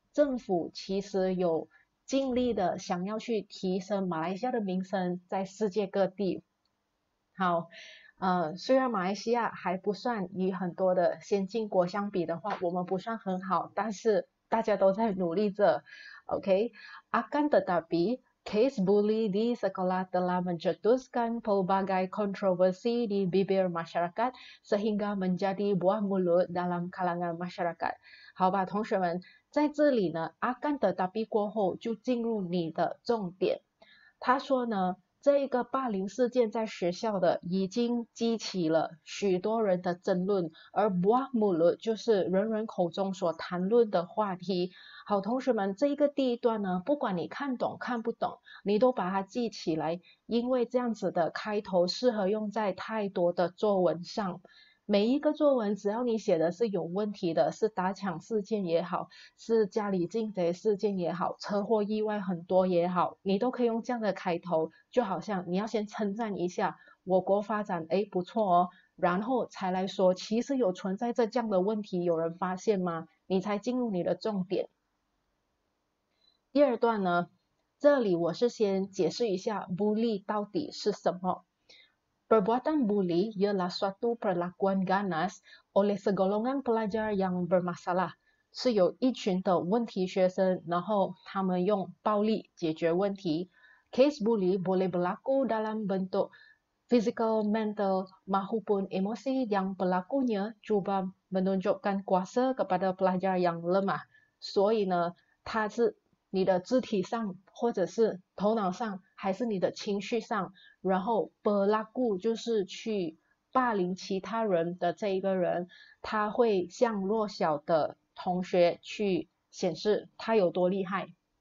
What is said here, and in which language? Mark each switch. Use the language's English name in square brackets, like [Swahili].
[Chinese] 政府其实有尽力的想要去提升马来西亚的名声在世界各地。好。虽然马来西亚还不算与很多的先进国相比的话，我们不算很好，但是大家都在努力着。 [Malay] OK，akan tetapi kes bully di sekolah telah mencetuskan pelbagai kontroversi di bibir masyarakat sehingga menjadi buah mulut dalam kalangan masyarakat。 [Chinese] 好吧，同学们，在这里呢， [Malay] akan tetapi [Chinese] 过后就进入你的重点。他说呢。这一个霸凌事件在学校的已经激起了许多人的争论，而 [Malay] buah mulut [Chinese] 就是人人口中所谈论的话题。好，同学们，这一个第一段呢，不管你看懂看不懂，你都把它记起来，因为这样子的开头适合用在太多的作文上。每一个作文，只要你写的是有问题的，是打抢事件也好，是家里进贼事件也好，车祸意外很多也好，你都可以用这样的开头，就好像你要先称赞一下我国发展，诶，不错哦，然后才来说，其实有存在着这样的问题，有人发现吗？你才进入你的重点。第二段呢，这里我是先解释一下 bully 到底是什么。 [Malay] Perbuatan buli ialah suatu perlakuan ganas oleh segolongan pelajar yang bermasalah. [Chinese] 是有一群的问题学生，然后他们用暴力解决问题。 [Malay] Case buli boleh berlaku dalam bentuk physical, mental mahupun emosi yang pelakunya cuba menunjukkan kuasa kepada pelajar yang lemah. [Chinese] 所以呢，它是你的肢体上或者是头脑上。还是你的情绪上，然后 berlaku 就是去霸凌其他人的这一个人，他会向弱小的同学去显示他有多厉害。